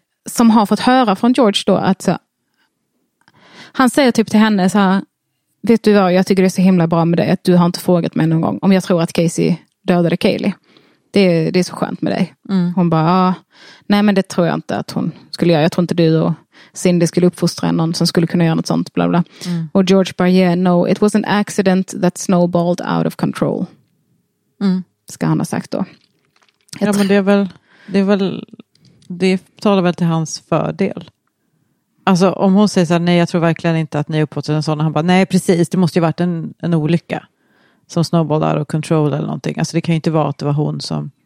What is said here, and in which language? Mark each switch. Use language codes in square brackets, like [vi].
[sv] Som har fått höra från George då att så, han säger typ till henne så här, vet du vad, jag tycker det är så himla bra med dig att du har inte frågat mig någon gång om jag tror att Casey dödade Kaylee. Det är så skönt med dig. Mm. Hon bara, nej men det tror jag inte att hon skulle göra. Jag tror inte du och Cindy skulle uppfostra någon som skulle kunna göra något sånt. Bla bla. Mm. Och George bara, [en] yeah, no, it was an accident that snowballed out of control. Mm. [sv] Ska han ha sagt då. Ja, men det är väl, det talar väl till hans fördel. Alltså om hon säger så här, nej jag tror verkligen inte att ni är uppfostrade en sån. Han bara, nej precis, det måste ju varit en olycka. Som [en] snowball out of control [sv] eller någonting. Alltså det kan ju inte vara att det var hon som...